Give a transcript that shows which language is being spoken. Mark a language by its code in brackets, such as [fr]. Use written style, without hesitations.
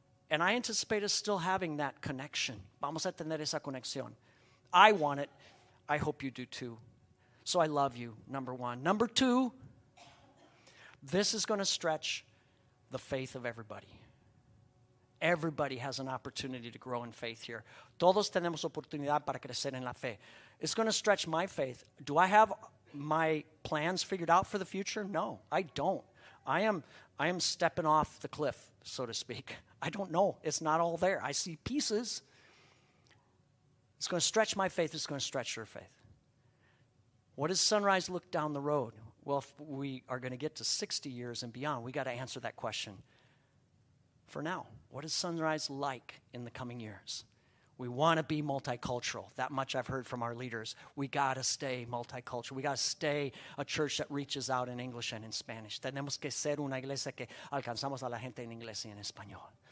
[en] And I anticipate us still having that connection. [es] Vamos a tener esa conexión. [en] I want it. I hope you do too. So I love you, number one. Number two, this is going to stretch the faith of everybody. Everybody has an opportunity to grow in faith here. [es] Todos tenemos oportunidad para crecer en la fe. [en] It's going to stretch my faith. Do I have my plans figured out for the future? No, I don't. I am stepping off the cliff, so to speak. I don't know. It's not all there. I see pieces. It's going to stretch my faith. It's going to stretch your faith. What does Sunrise look down the road? Well, if we are going to get to 60 years and beyond, we got to answer that question. For now, what is Sunrise like in the coming years? We want to be multicultural. That much I've heard from our leaders. We got to stay multicultural. We got to stay a church that reaches out in English and in Spanish. [es] Tenemos que ser una iglesia que alcanzamos a la gente en inglés y en español.